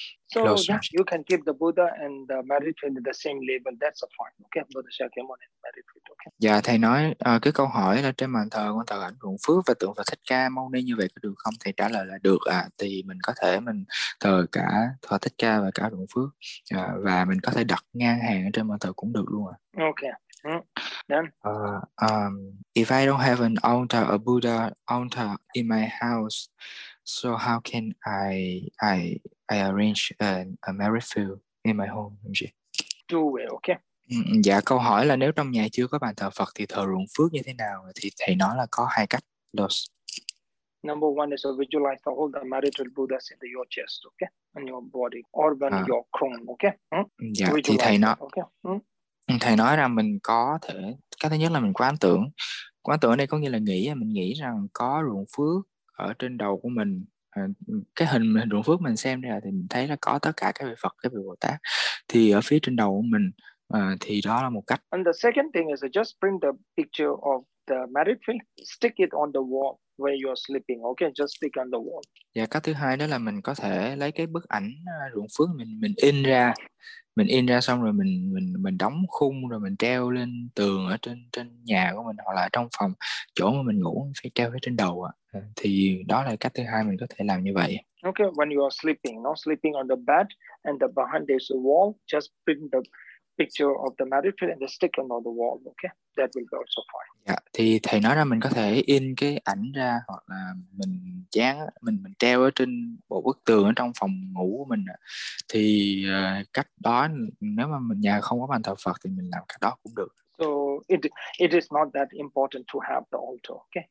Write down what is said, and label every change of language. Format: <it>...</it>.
<en>So yeah, you can keep the Buddha and the merit field in the same label. That's a fine. Okay, Buddha Shakyamuni and merit field. Okay.</en> <vi>Dạ, thầy nói cái câu hỏi là trên bàn thờ con thờ ảnh ruộng phước và tượng Phật Thích Ca Mâu Ni như vậy có được không? Thầy trả lời là được ạ. Thì mình có thể mình thờ cả Phật Thích Ca và cả ruộng phước, và mình có thể đặt ngang hàng ở trên bàn thờ cũng được luôn ạ.</vi> <en>Okay. Then. If I don't have an altar, a Buddha altar in my house, so how can I arrange a merit field in my home,</en> <vi>không chị?</vi> <en>Okay.</en> <vi>Dạ, câu hỏi là nếu trong nhà chưa có bàn thờ Phật thì thờ ruộng phước như thế nào? Thì thầy nói là có hai cách. Los.</vi> <en>Number one is to visualize all the marital Buddhas in your chest, okay, in your body, or when À. your crown, okay.</en> <vi>Dạ, thì</vi> <en>Visualize that, okay.</en> <vi>thầy nói rằng mình có thể, cái thứ nhất là mình quán tưởng. Quán tưởng ở đây có nghĩa là nghĩ, mình nghĩ rằng có ruộng phước ở trên đầu của mình. À, cái hình ruộng phước mình xem ra thì mình thấy là có tất cả các vị Phật, các vị Bồ Tát thì ở phía trên đầu của mình, thì đó là một cách.</vi> <en>And the second thing is just print the picture of the merit field, stick it on the wall where you're sleeping, okay? Just stick on the wall.</en> <vi>Và cách thứ hai đó là mình có thể lấy cái bức ảnh ruộng phước mình in ra, mình in ra xong rồi mình đóng khung rồi mình treo lên tường ở trên trên nhà của mình hoặc là trong phòng chỗ mà mình ngủ, phải treo phía trên đầu ạ. Thì đó là cách thứ hai mình có thể làm như vậy.</vi> <en>Okay, when you are sleeping, not sleeping on the bed and the behind there's a wall, just print the picture of the merit field and the stick on the wall, okay? That will be also fine.</en> <vi>Dạ, thì thầy nói là mình có thể in cái ảnh ra hoặc là mình dán, mình treo ở trên bộ bức tường ở trong phòng ngủ của mình ạ. Thì cách đó, nếu mà mình nhà không có bàn thờ Phật thì mình làm cách đó cũng được.</vi> <en>So it is not that important to have the altar, okay?</en>